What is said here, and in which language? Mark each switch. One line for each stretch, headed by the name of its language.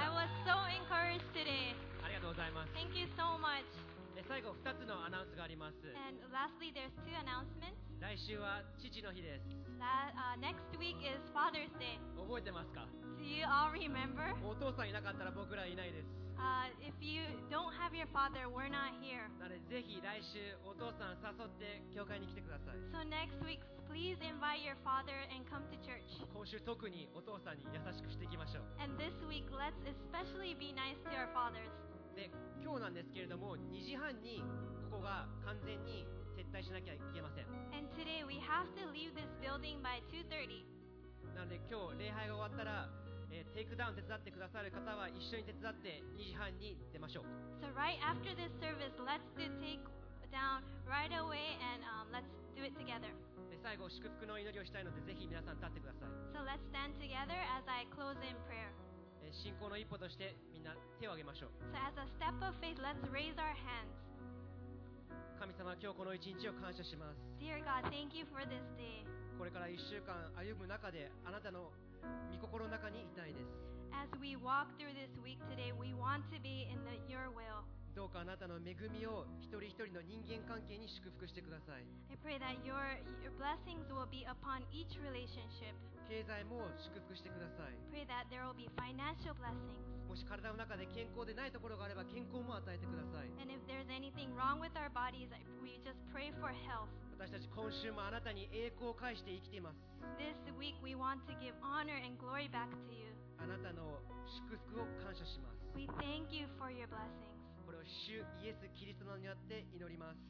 English: I was so encouraged today.
Japanese: ありがとうございます。
English: Thank you so much.
Japanese: 最後2つのアナウンスがあります。
English: And lastly, there's two announcements.
Japanese: 来週は父の日です。
English: Next week is Father's Day.
Japanese: 覚えてますか？
English: Do you all remember?
Japanese: お父さんいなかったら僕らいないです。
English: If you don't have your father, we're not here.
Japanese: なのでぜひ来週お父さん誘って教会に来てください。
English: So next week, please invite your father and come to church.
Japanese: 今週特にお父さんに優しくしていきましょう。
English: And this week, let's especially be nice to our fathers.
Japanese: で、今日なんですけれども、2時半にここが完全に撤退しなきゃいけません。
English: And today we have to leave this building by 2:30.
Japanese: なので今日礼拝が終わったら、テイクダウン手伝ってくださる方は一緒に手伝って2時半に出ましょう。
English: So right after this service, let's do take down right away and let's do it together.
Japanese: で最後祝福の祈りをしたいのでぜひ皆さん立ってください。
English: So let's stand together as I close in prayer.
Japanese: 信仰の一歩としてみんな手を挙げましょう。
English: So as a step of faith, let's raise our hands.
Japanese: 神様、今日この一日を感謝します。
English: Dear God, thank you for this day.
Japanese: これから1週間歩む中で、あなたの御心の中にいたいです。
English: As we walk through this week today, we want to be in your will.
Japanese: どうかあなたの恵みを一人一人の人間関係に祝福してください。
English: I pray that your blessings will be upon each relationship.
Japanese: 経済も祝福してください。
English: Pray that there will be financial blessings.
Japanese: もし体の中で健康でないところがあれば健康も与えてください。
English: And if there's anything wrong with our bodies, we just pray for health.
Japanese: 私たち今週もあなたに栄光を返して生きています。
English: This week we want to give honor and glory back to you.
Japanese: あなたの祝福を感謝します。
English: We thank you for your blessings.
Japanese: これを主イエスキリストの名によって祈ります。